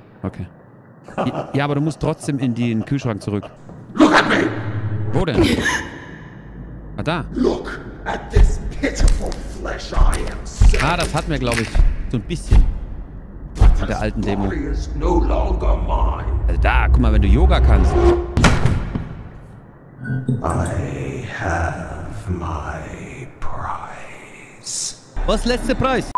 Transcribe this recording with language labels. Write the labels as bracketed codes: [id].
[de] Okay. Ja, aber du musst trotzdem in den Kühlschrank zurück. [en] Look at me! [de] Wo denn? Ah, da. [en] Look at this pitiful flesh I am serving. [de] Ah, das hatten wir, glaube ich, so ein bisschen. Mit der alten Demo. Also da, guck mal, wenn du Yoga kannst. [en] I have my prize. [de] Was letzte Preis?